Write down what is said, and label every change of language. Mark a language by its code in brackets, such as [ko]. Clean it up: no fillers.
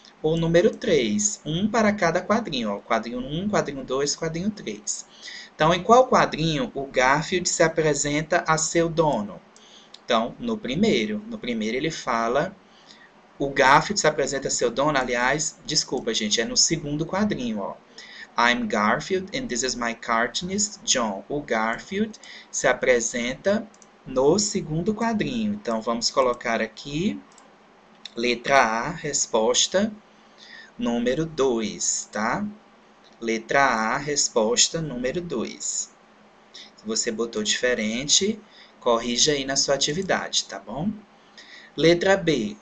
[pt] Ou número 3, um para cada quadrinho, ó, quadrinho 1, quadrinho 2, quadrinho 3. Então, em qual quadrinho o Garfield se apresenta a seu dono? Então, no primeiro ele fala, o Garfield se apresenta a seu dono, aliás, desculpa, gente, é no segundo quadrinho, ó. [en] I'm Garfield and this is my cartoonist, John. [pt] O Garfield se apresenta no segundo quadrinho. Então, vamos colocar aqui, letra A, resposta número 2, tá? Letra A, resposta número 2. Se você botou diferente, corrija aí na sua atividade, tá bom? Letra B.